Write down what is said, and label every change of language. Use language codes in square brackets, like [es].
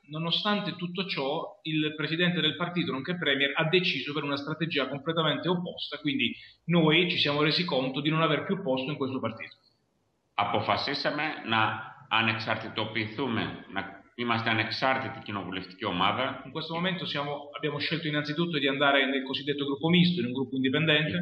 [it] Nonostante tutto ciò, il presidente del partito, nonché premier, ha deciso per una strategia completamente opposta, quindi noi ci siamo resi conto di non aver più posto in questo partito. [el] Αποφασίσαμε να ανεξαρτητοποιηθούμε, να είμαστε ανεξάρτητη κοινοβουλευτική ομάδα. [it] In questo momento abbiamo scelto innanzitutto di andare nel cosiddetto gruppo misto, in un gruppo indipendente,